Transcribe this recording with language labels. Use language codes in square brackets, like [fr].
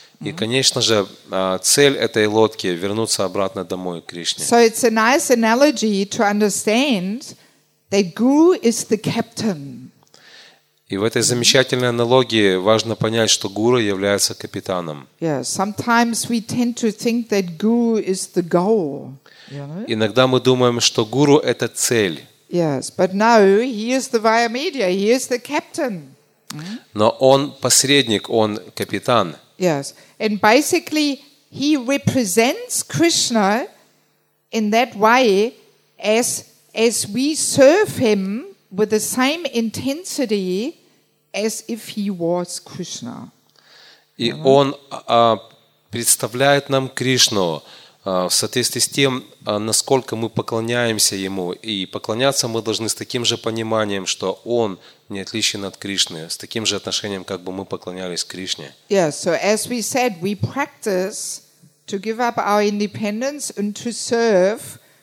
[ru] И, конечно же, цель этой лодки — вернуться обратно домой к Кришне. [en] So it's a nice analogy to understand that Guru is the captain. [ru] И в этой замечательной аналогии важно понять, что гуру является капитаном. [en] Sometimes we tend to think that guru is the goal. [ru] Иногда мы думаем, что гуру это цель. [en] Yes, but no, he is the via media, he is the captain. [ru] Но он посредник, он капитан. [en] Yes, and basically he represents Krishna in that way as we serve him with the same intensity as if he was Krishna. [ru] И он представляет нам Кришну в соответствии с тем, насколько мы поклоняемся ему, и поклоняться мы должны с таким же пониманием, что он не отличен от Кришны, с таким же отношением, как бы мы поклонялись Кришне. [en] Yeah, so as we said, we practice to give up our independence and to serve.